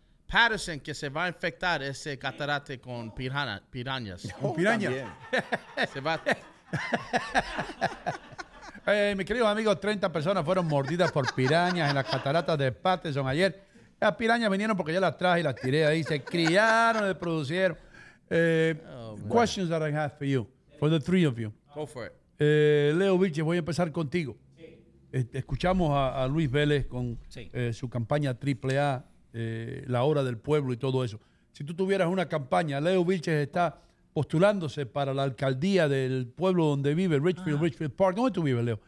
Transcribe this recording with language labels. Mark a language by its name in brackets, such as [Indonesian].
[Spanish] Patterson, que se va a infectar ese catarate con pirañas. ¿Con pirañas? Se va. Mi querido amigo, 30 personas fueron mordidas por pirañas en las cataratas de Patterson ayer. Las pirañas vinieron porque yo las traje y las tiré ahí. Se criaron y producieron. [English] Questions that I have for you, for the three of you. Go for it. [Spanish] Leo Vilches, voy a empezar contigo. Escuchamos a Luis Vélez con su campaña AAA. La hora del pueblo y todo eso. Si tú tuvieras una campaña, Leo Vilches está postulándose para la alcaldía del pueblo donde vive, Richfield. Ajá. Richfield Park. ¿Dónde tú vives, Leo?